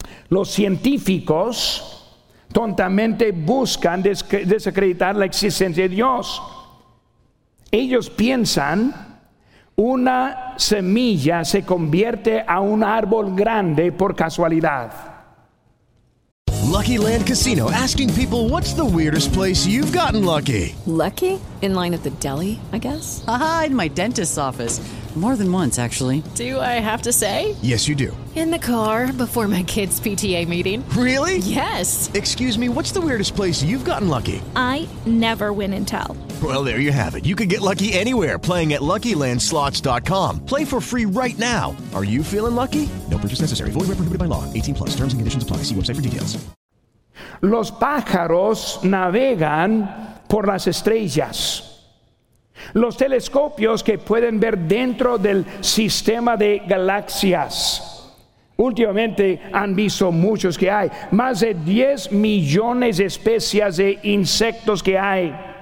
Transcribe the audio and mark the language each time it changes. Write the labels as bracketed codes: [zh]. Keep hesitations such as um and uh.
[es] Los científicos tontamente buscan desacreditar la existencia de Dios. Ellos piensan una semilla se convierte a un árbol grande por casualidad. [en] Lucky Land Casino asking people what's the weirdest place you've gotten lucky? Lucky? In line at the deli, I guess. Aha, uh -huh, in my dentist's office. More than once, actually. Do I have to say? Yes, you do. In the car before my kids' PTA meeting. Really? Yes. Excuse me, what's the weirdest place you've gotten lucky? I never win and tell. Well, there you have it. You can get lucky anywhere playing at LuckyLandSlots.com. Play for free right now. Are you feeling lucky? No purchase necessary. Void where prohibited by law. 18 plus. Terms and conditions apply. See website for details. [es] Los pájaros navegan por las estrellas. Los telescopios que pueden ver dentro del sistema de galaxias. Últimamente han visto muchos que hay. Más de diez millones de especies de insectos que hay.